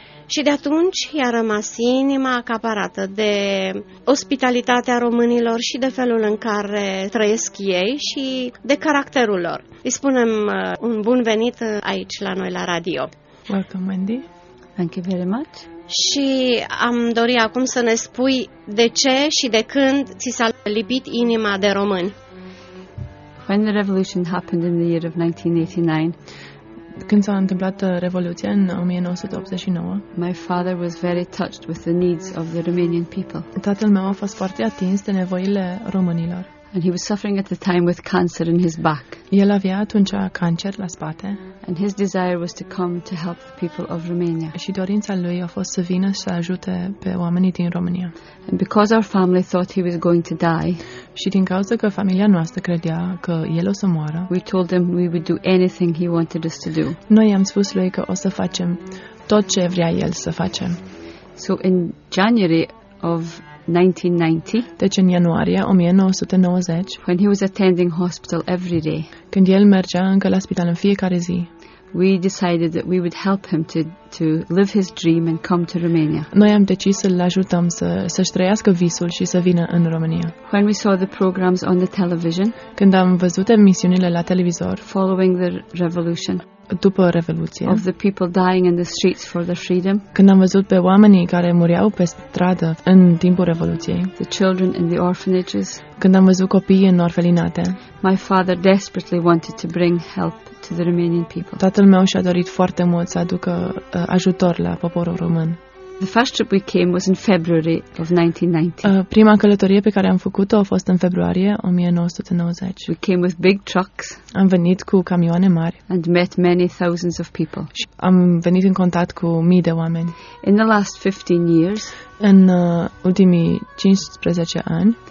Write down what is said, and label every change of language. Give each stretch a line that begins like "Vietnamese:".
Romanian: Și de atunci i-a rămas inima acaparată de ospitalitatea românilor și de felul în care trăiesc ei și de caracterul lor. Îi spunem un bun venit aici la noi la radio.
English: Welcome, Wendy. Thank you very much.
Romanian: Și am dorit acum să ne spui de ce și de când ți s-a lipit inima de români.
English: When the revolution happened in the year of 1989,
Romanian: când s-a întâmplat revoluția în 1989,
English: my father was very touched with the needs of the Romanian people.
Romanian: Tatăl meu a fost foarte atins de nevoile românilor.
English: And he was suffering at the time with cancer in his back.
Romanian: El avea atunci cancer la spate.
English: And his desire was to come to help the people of Romania.
Romanian: Și dorința lui a fost să vină să ajute pe oamenii din România.
English: And because our family thought he was going to die.
Romanian: Și din cauza că familia noastră credea că el o să moară.
English: We told him we would do anything he wanted us to do.
Romanian: Noi am spus lui că o să facem tot ce vrea el să facem.
English: So in January of 1990.
Romanian: Deci în ianuarie 1990.
English: When he was attending hospital every day.
Romanian: Când el mergea încă la spital în fiecare zi.
English: We decided that we would help him to live his dream and come to Romania.
Romanian: Noi am decis să-l ajutăm să-și trăiască visul și să vină în România.
English: When we saw the programs on the television.
Romanian: Când am văzut emisiunile la televizor.
English: Following the revolution.
Romanian: După revoluție.
English: Of the people dying in the streets for their freedom.
Romanian: Când am văzut pe oamenii care mureau pe stradă în timpul revoluției.
English: The children in the orphanages.
Romanian: Când am văzut copiii în orfelinate.
English: My father desperately wanted to bring help to the Romanian people.
Romanian: Tatăl meu și-a dorit foarte mult să aducă ajutor la poporul român.
English: The first trip we came was in February of 1990.
Romanian: Prima călătorie pe care am făcut-o a fost în februarie 1990.
English: We came with big trucks.
Romanian: Am venit cu camioane mari.
English: And met many thousands of people.
Romanian: Am venit în contact cu mii de oameni.
English: In the last 15 years,
Romanian: în ultimii 15 ani,